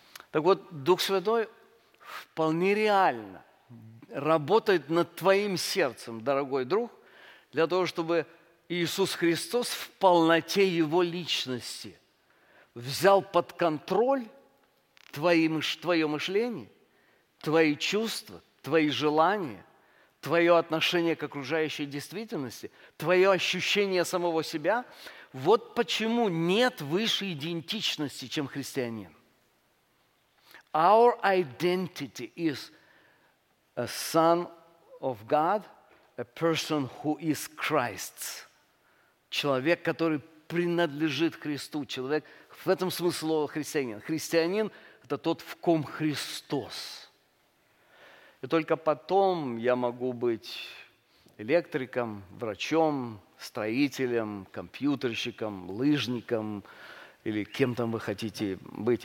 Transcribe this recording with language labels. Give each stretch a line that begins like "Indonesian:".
Russian: Так вот, Дух Святой вполне реально работает над твоим сердцем, дорогой друг, для того, чтобы Иисус Христос в полноте Его личности взял под контроль твое мышление, твои чувства, твои желания, твое отношение к окружающей действительности, твое ощущение самого себя. Вот почему нет высшей идентичности, чем христианин.
English: Our identity is a son of God, a person who is Christ's.
Russian: Человек, который принадлежит Христу. Человек, в этом смысле слова христианин. Христианин – это тот, в ком Христос. И только потом я могу быть электриком, врачом, строителем, компьютерщиком, лыжником или кем там вы хотите быть.